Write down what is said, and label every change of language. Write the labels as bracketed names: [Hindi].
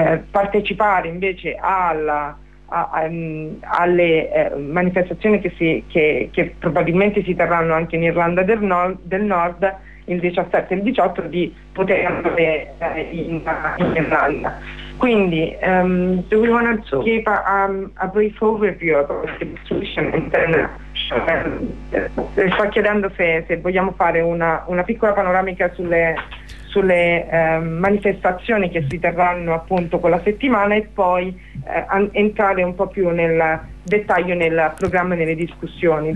[Italian] partecipare invece alle manifestazioni che probabilmente si terranno anche in Irlanda del Nord il 17 e il 18, di poter andare in Irlanda. Quindi [English] do we want to give a brief overview of the situation in Tenerife? [Italian] Sto chiedendo se vogliamo fare una piccola panoramica sulle manifestazioni che si terranno appunto quella settimana, e poi entrare un po' più nel dettaglio nel programma e nelle discussioni.